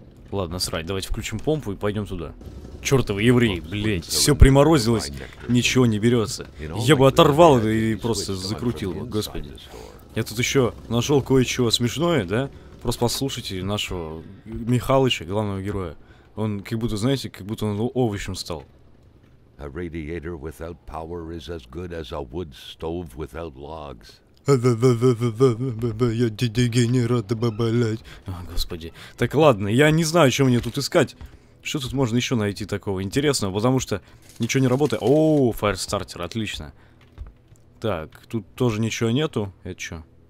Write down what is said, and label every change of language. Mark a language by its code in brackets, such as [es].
[ru] Ладно, срать, давайте включим помпу и пойдем туда. Чертовы евреи, блять, все приморозилось, ничего не берется. Я бы оторвал это и просто закрутил, господи. Я тут еще нашел кое-чего смешное, да? Просто послушайте нашего Михалыча, главного героя. Он как будто, знаете, как будто он овощем стал. [en] A radiator without power is as good as a wood stove without logs. [ru] Я дегенерат, блять. О, господи. Так ладно, я не знаю, что мне тут искать. Что тут можно еще найти такого интересного, потому что ничего не работает. О, фаерстартер, отлично. Так, тут тоже ничего нету. Это что?